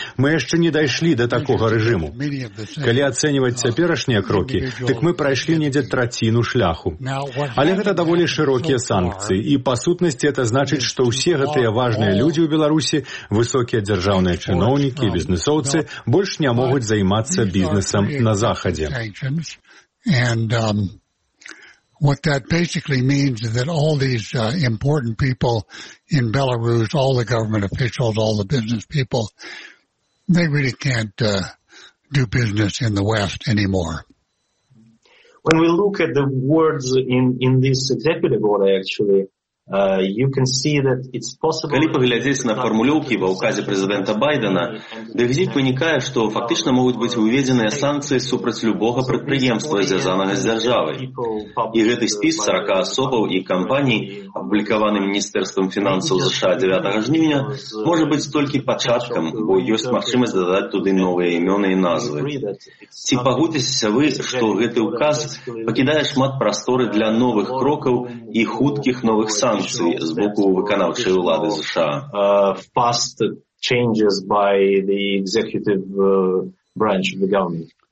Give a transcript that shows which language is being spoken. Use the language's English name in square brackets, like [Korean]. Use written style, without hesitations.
[Belarusian] Мы яшчэ не дайшлі да такога рэжыму. Калі ацэньваць цяперашнія крокі, дык мы прайшлі недзе траціну шляху. Але гэта даволі шырокія санкцыі, і па сутнасці это значыць, што ўсе гэтыя важныя людзі ў Беларусі, высокія дзяржаўныя чыноўнікі, бізнэсоўцы, больш не могуць займацца бізнесам на Захадзе. [English] And what that basically means is that all these important people in Belarus, all the government officials, all the business people, they really can't do business in the West anymore. When we look at the words in this executive order, actually, you can see that it's possible. [Belarusian] Калі паглядзець на фармулёўкі ва ўказе прэзідэнта Байдэна, дык з іх вынікае, што фактычна могуць быць уведзеныя санкцыі супраць любога прадпрыемства, звязанага з дзяржавай. І гэты спіс 40 асобаў і кампаній, апублікаваны Міністэрствам фінансаў ЗША 9 жніўня, можа быць толькі пачаткам, бо ёсць магчымасць дадаць туды новыя імёны і назвы. Ці пагодзіцеся вы, што гэты ўказ пакідае шмат прасторы для новых крокаў і хуткіх новых санкцій з боку выканаўчай улады ЗША? [English] Fast changes by the executive branch of the government.